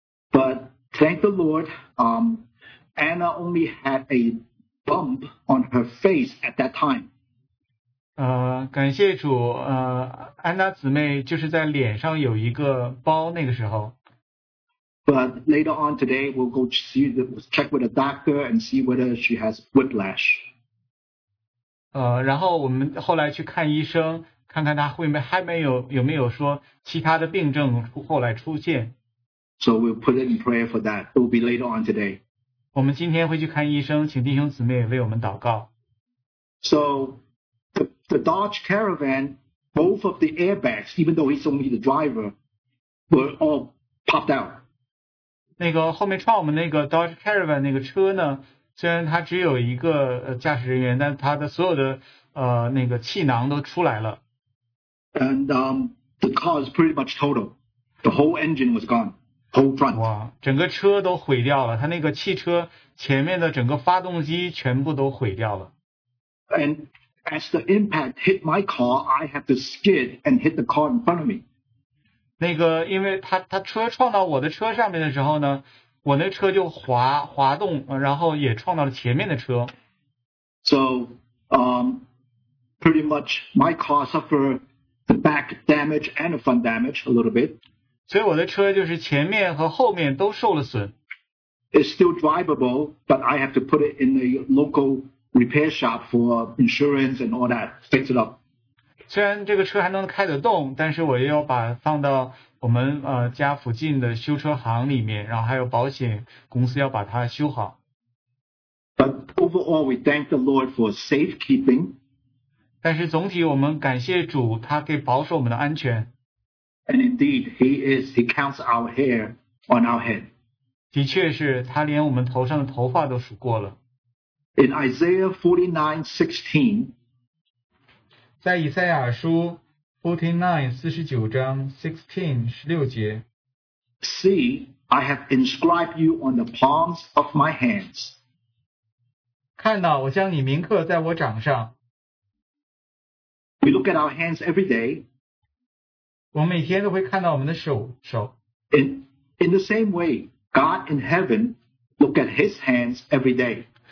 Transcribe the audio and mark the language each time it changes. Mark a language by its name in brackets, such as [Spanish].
[English] But thank the Lord, Anna only had a bump on her face at that time. [Chinese] 感谢主, 安娜姊妹就是在脸上有一个包, 那个时候。 [English] But later on today, we'll go see the, check with a doctor and see whether she has whiplash. [Chinese] 然后我们后来去看医生, 看看她还没有说其他的病症后来出现。 [English] So we'll put it in prayer for that. It will be later on today. [Chinese] 我们今天会去看医生, 请弟兄姊妹为我们祷告。 [English] So, the Dodge Caravan, both of the airbags, even though he's only the driver, were all popped out. [Chinese] 那个后面撞我们那个 Dodge Caravan 那个车呢, 虽然它只有一个驾驶人员, 但它的所有的, 那个气囊都出来了。 [English] And the car is pretty much total. The whole engine was gone. Whole front. [Chinese] 哇, 整个车都毁掉了, 它那个汽车前面的整个发动机全部都毁掉了。 [English] And as the impact hit my car, I had to skid and hit the car in front of me. [Chinese] 那个因为他车撞到我的车上面的时候呢, 我那车就滑动, 然后也撞到了前面的车。 [English] So, pretty much my car suffered the back damage and the front damage a little bit. [Chinese] 所以我的车就是前面和后面都受了损。 [English] It's still drivable, but I have to put it in a local repair shop for insurance and all that, fix it up. [Chinese] 虽然这个车还能开得动, 但是我也要把放到我们, 家附近的修车行里面, 然后还有保险公司要把它修好。 [English] But overall, we thank the Lord for safekeeping. [Chinese] 但是总体我们感谢主, 他给保守我们的安全。 [English] And indeed, he counts our hair on our head. [Chinese] 的确是, 他连我们头上的头发都数过了。 [English] In Isaiah 49:16, [Chinese] 在以赛亚书49:16节, [English] See, I have inscribed you on the palms of my hands. [Chinese] 看到我将你铭刻在我掌上。 [English] We look at our hands every day. [Chinese] 我每天都会看到我们的手。 [English] In the same way, God in heaven look at his hands every day.